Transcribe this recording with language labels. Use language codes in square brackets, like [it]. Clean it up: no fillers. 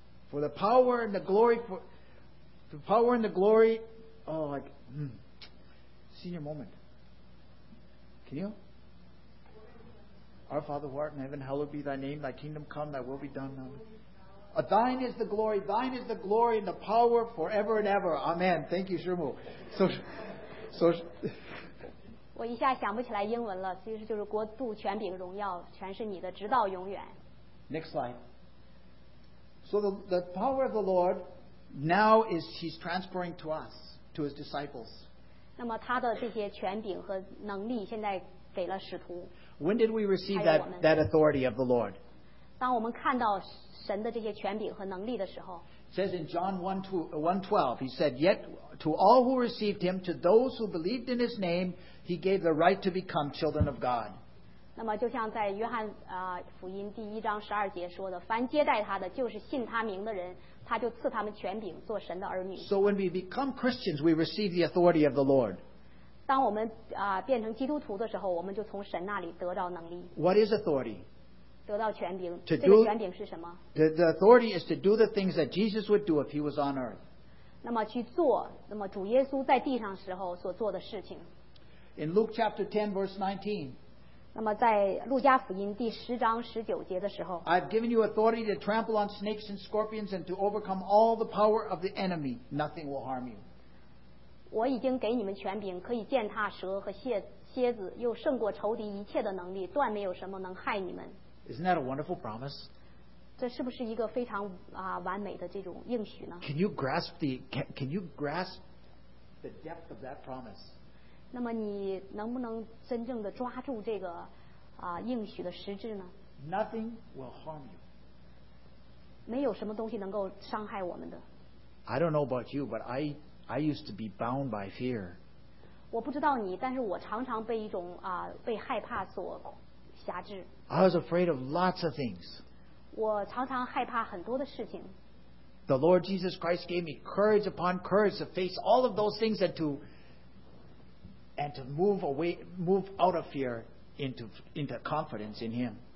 [en] For the power and the glory, for the power and the glory, oh, like, senior moment. Can you? Our Father who art in heaven, hallowed be thy name. Thy kingdom come, thy will be done. Thine is the glory and the power forever and ever. Amen. Thank you, Shermu. So, [zh] 我一下想不起来英文了，其实就是国度权柄荣耀全是你的直到永远。 [en] Next slide. So the power of the Lord now is he's transferring to us, to his disciples. [zh] 那么他的这些权柄和能力现在给了使徒。 [en] When did we receive that authority of the Lord? [zh] 当我们看到神的这些权柄和能力的时候。 [en] It says in John 1:12, he said, Yet to all who received him, to those who believed in his name, he gave the right to become children of God. [zh] 那么就像在约翰福音第一章十二节说的，凡接待他的就是信他名的人，他就赐他们权柄做神的儿女。 [en] So when we become Christians, we receive the authority of the Lord. [zh] 当我们变成基督徒的时候，我们就从神那里得到能力。 [en] What is authority? [zh] 得到权柄。 [en] To do, [zh] 这个权柄是什么？ [en] The authority is to do the things that Jesus would do if he was on earth. [zh] 那么去做，那么主耶稣在地上时候所做的事情。 [en] In Luke chapter 10 verse 19. [zh] 那么在路加福音第十章十九节的时候。 [en] I've given you authority to trample on snakes and scorpions and to overcome all the power of the enemy. Nothing will harm you. [zh] 我已经给你们权柄，可以践踏蛇和蝎子，又胜过仇敌一切的能力，断没有什么能害你们。 [en] Isn't that a wonderful promise? [zh] 这是不是一个非常完美的这种应许呢？ [en] Can you grasp the depth of that promise? [zh] 那么你能不能真正的抓住这个应许的实质呢？ [en] Nothing will harm you. [zh] 没有什么东西能够伤害我们的。 [en] I don't know about you, but I used to be bound by fear. [zh] 我不知道你，但是我常常被一种被害怕所辖制。 [en] I was afraid of lots of things. [zh] 我常常害怕很多的事情。 [en] The Lord Jesus Christ gave me courage upon courage to face all of those things and to move away, move out of fear into confidence in Him.